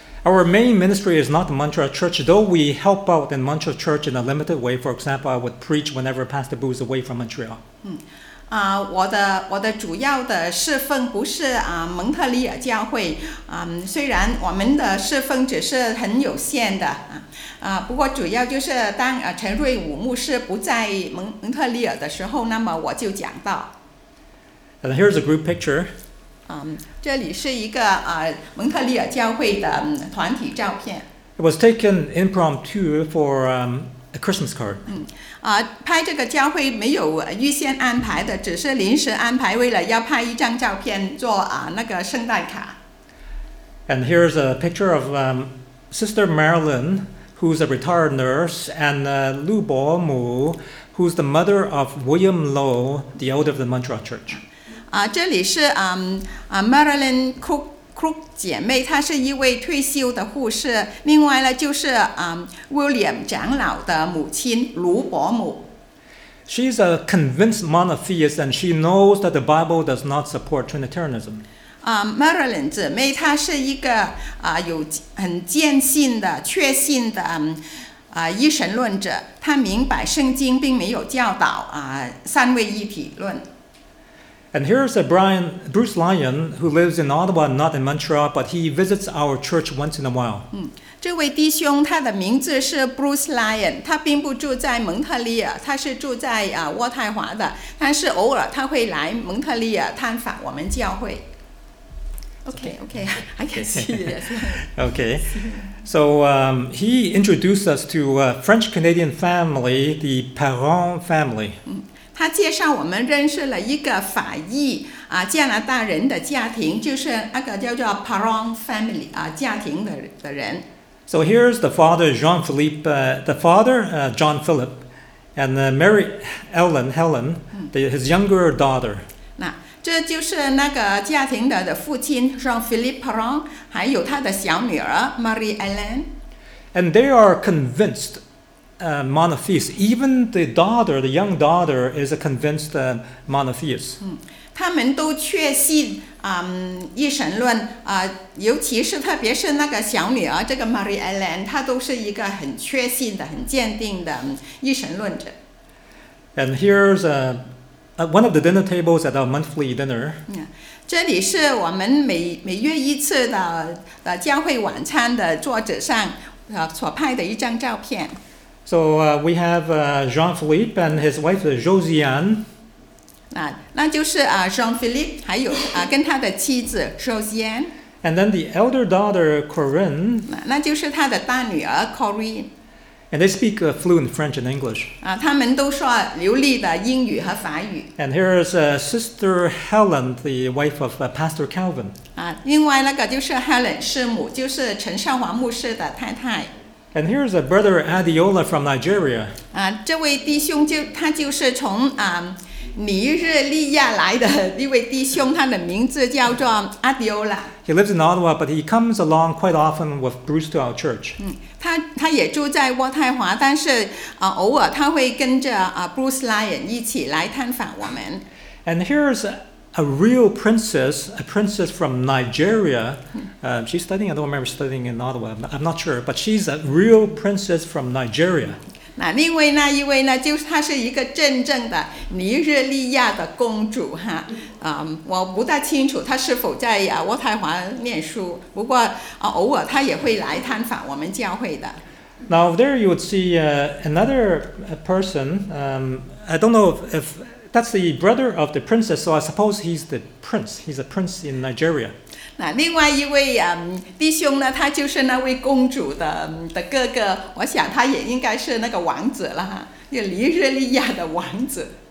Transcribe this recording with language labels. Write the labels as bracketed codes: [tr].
[en] Our main ministry is not the Montreal Church, though we help out in Montreal Church in a limited way. For example, I would preach whenever Pastor Boo is away from Montreal. [zh] 我的主要的侍奉不是蒙特利尔教会，虽然我们的侍奉只是很有限的，不过主要就是当陈瑞武牧师不在蒙特利尔的时候，那么我就讲到。 [en] And here's a group picture. [zh] 这里是一个蒙特利尔教会的团体照片。 [en] It was taken impromptu for a Christmas card. [zh] 拍这个教会没有预先安排的，只是临时安排，为了要拍一张照片做那个圣诞卡。 [en] And here's a picture of Sister Marilyn, who's a retired nurse, and Lu Bo Mu, who's the mother of William Low, the elder of the Montreal Church. [zh] 这里是Marilyn Crook 姐妹，她是一位退休的护士。另外呢，就是William 长老的母亲卢伯母。 [en] She's a convinced monotheist, and she knows that the Bible does not support Trinitarianism. [zh] Marilyn 姊妹她是一个有很坚信的确信的一神论者，她明白圣经并没有教导三位一体论。 [en] And here's a Bruce Lyon, who lives in Ottawa, not in Montreal, but he visits our church once in a while. [zh] 这位弟兄他的名字是 Bruce Lyon, 他并不住在蒙特利尔，他是住在渥太华的，但是偶尔他会来蒙特利尔探访我们教会。 [en] Okay, I can see it. Okay, so he introduced us to a French-Canadian family, the Parent family. [zh] 他介绍我们认识了一个法裔加拿大人的家庭，就是那个叫做 Parent family 家庭的人。 [en] So here's the father, Jean-Philippe, the father, John-Philippe, and Mary Ellen, Helen, his younger daughter. [zh] 这就是那个家庭的父亲 Jean-Philippe Parent, 还有他的小女儿 Mary Ellen. [en] And they are convinced monotheists. Even the daughter, the young daughter, is a convinced monotheist. [zh] 他们都确信一神论尤其是特别是那个小女儿这个 Mary Ellen 她都是一个很确信的很坚定的一神论者。 [en] And here's one of the dinner tables at our monthly dinner. [zh] 这里是我们 每月一次 的教会晚餐的桌子上所拍的一张照片。 [en] So we have Jean-Philippe and his wife Josiane. [zh] 那就是 Jean-Philippe 还有跟他的妻子 Josiane. [en] And then the elder daughter Corinne. [zh] 那就是他的大女儿 Corinne. [en] And they speak fluent French and English. [zh] 他们都说流利的英语和法语。 [en] And here is Sister Helen, the wife of Pastor Calvin. [zh] 另外那个就是 Helen 师母，就是陈少华牧师的太太。 [en] And here is a brother Adeola from Nigeria. [zh] 这位弟兄他就是从尼日利亚来的一位弟兄，他的名字叫做 Adeola。 [en] He lives in Ottawa, but he comes along quite often with Bruce to our church. [zh] 他也住在渥太华，但是偶尔他会跟着Bruce Lyon 一起来探访我们。 [en] And here's a real princess, a princess from Nigeria. She's studying, I don't remember studying in Ottawa, I'm not sure, but she's a real princess from Nigeria. [zh] 另外那一位呢，就是她是一个真正的尼日利亚的公主哈。我不大清楚他是否在渥太华念书，不过偶尔他也会来探访我们教会的。 [en] Now there you would see another person. I don't know if that's the brother of the princess, so I suppose he's the prince. He's a prince in Nigeria. [zh] 另外一位弟兄呢，他就是那位公主 的哥哥，我想他也应该是那个王子了，就尼日利亚的王子。